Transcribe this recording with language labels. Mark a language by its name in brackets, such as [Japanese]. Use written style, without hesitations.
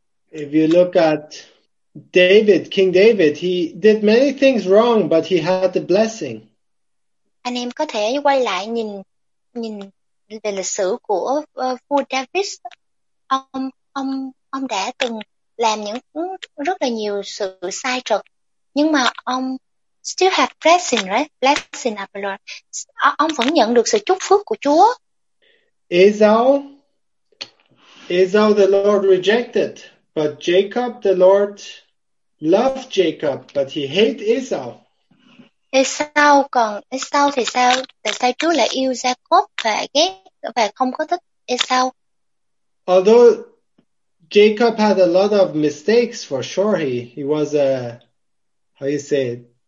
[English] If you look at David, King David, he did many things wrong, but he had the blessing. [Vietnamese] Anh em có thể quay lại nhìn về lịch sử của vua David. Ông đã từng làm những rất là nhiều sự sai trật, Nhưng mà ông [English] still have blessing, right? Blessing of the Lord. [Vietnamese] Ông vẫn nhận được sự chúc phước của Chúa. [English] Esau the Lord rejected, but Jacob the Lord loved Jacob, but he hated Esau. [Vietnamese] Esau thì sao? Tại sao Chúa lại yêu Jacob và ghét và không có thích Esau? [English] Although Jacob had a lot of mistakes, for sure he was a, how you say it?